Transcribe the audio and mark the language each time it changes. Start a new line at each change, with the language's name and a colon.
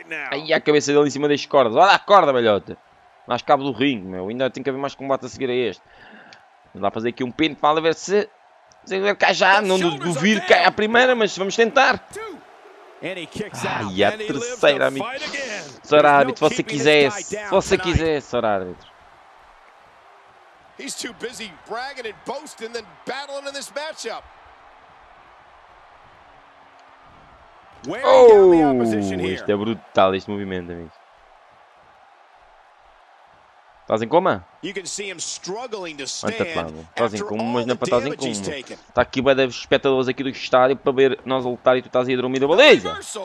Portuguese: Aí a cabeça dele em cima das cordas. Olha a corda, velhota. Mais cabo do ringue, meu. Ainda tem que haver mais combate a seguir a este. Vamos lá fazer aqui um pin para ver se... Se ele cai já, não duvido que cai a primeira, mas vamos tentar. E a terceira, amigo. Sr. Árbitro, se você quisesse. Se você quisesse, Sr. Árbitro.
English: He's too busy bragging and boasting than battling in this matchup.
Portuguese: Oh, isto é brutal, este movimento, amigo. Estás em coma? Estás em coma, mas não estás em coma. Está aqui o dos espectadores aqui do estádio para ver nós a lutar e tu estás aí a dormir da beleza.